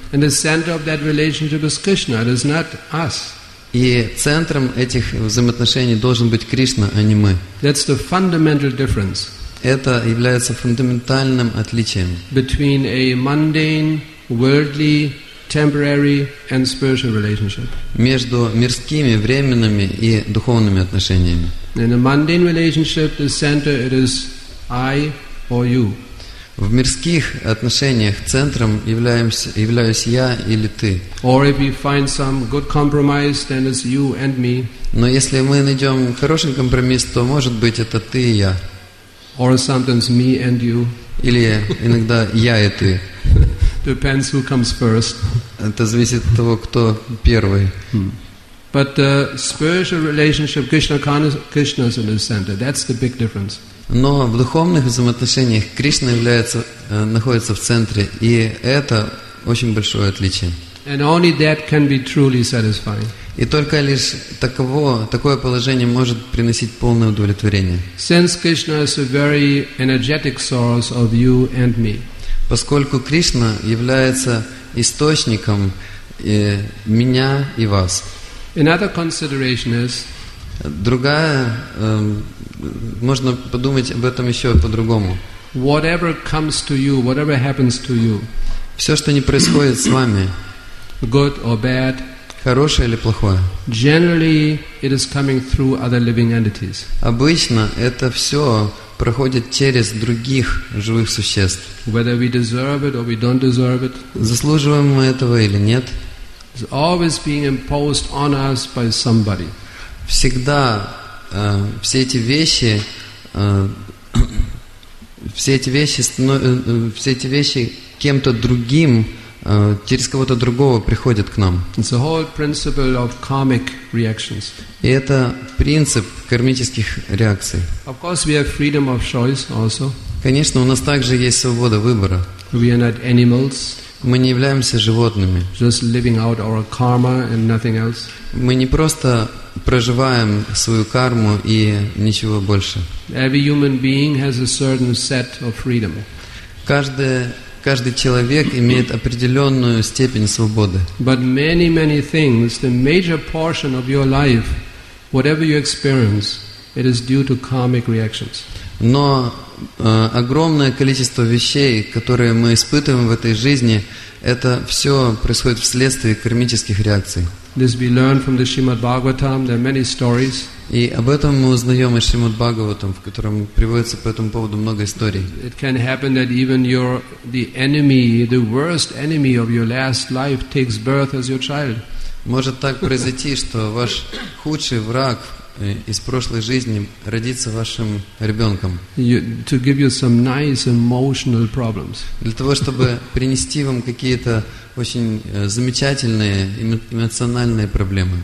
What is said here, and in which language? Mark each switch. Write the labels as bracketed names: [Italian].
[English] And the center of that relationship is Krishna, it is not us. [Russian] И центром этих взаимоотношений должен быть Кришна, а не мы. [English] That's the fundamental difference. [Russian] Это является фундаментальным отличием [English] between a mundane, worldly, temporary and spiritual relationship. [Russian] Между мирскими, временными и духовными отношениями. [English] In a mundane relationship, the center it is I or you. [Russian] В мирских отношениях центром являюсь я или ты. [English] Or if we find some good compromise, then it's you and me. [Russian] Но если мы найдем хороший компромисс, то может быть это ты и я. [English] Or sometimes me and you. [Russian] Или иногда я и ты. [English] Depends who comes first. [Russian] Это зависит от того, кто первый. [English] But the spiritual relationship, Krishna is in the center. That's the big difference. [Russian] Но в духовных взаимоотношениях Кришна является, находится в центре, и это очень большое отличие. [English] And only that can be truly satisfying. [Russian] И только лишь такое положение может приносить полное удовлетворение. [English] Since Krishna is a very energetic source of you and me. [Russian] Поскольку Кришна является источником меня и вас. [English] Another consideration is. [Russian] Другая, можно подумать об этом еще по-другому. [English] Whatever comes to you, whatever happens to you. [Russian] Все, что не происходит с вами. [English] Good or bad. [Russian] Хорошее или плохое. [English] Generally, it is coming through other living entities. [Russian] Обычно это все проходит через других живых существ. [English] Whether we deserve it or we don't deserve it. [Russian] Заслуживаем мы этого или нет. [English] It's always being imposed on us by somebody. [Russian] Всегда все эти вещи, все эти вещи кем-то другим, через кого-то другого приходят к нам. [English] It's a whole principle of karmic reactions. [Russian] И это принцип кармических реакций. [English] Of course, we have freedom of choice also. [Russian] Конечно, у нас также есть свобода выбора. [English] We are not animals. [Russian] Мы не являемся животными. [English] Just living out our karma and nothing else. [Russian] Мы не просто проживаем свою карму и ничего больше. [English] Every human being has a certain set of freedom. [Russian] Каждый человек имеет определенную степень свободы. [English] But many, many things, the major portion of your life, whatever you experience, it is due to karmic reactions. [Russian] Но огромное количество вещей, которые мы испытываем в этой жизни, это все происходит вследствие кармических реакций. [English] This we learn from the Shrimad Bhagavatam. There are many stories. [Russian] И об этом мы узнаем из Шримад Бхагаватам, в котором приводится по этому поводу много историй. [English] It can happen that even your the enemy, the worst enemy of your last life, takes birth as your child. [Russian] Может так произойти, что ваш худший враг из прошлой жизни родиться вашим ребенком. [English] To give you some nice emotional problems. [Russian] Для того, чтобы принести вам какие-то очень замечательные эмоциональные проблемы.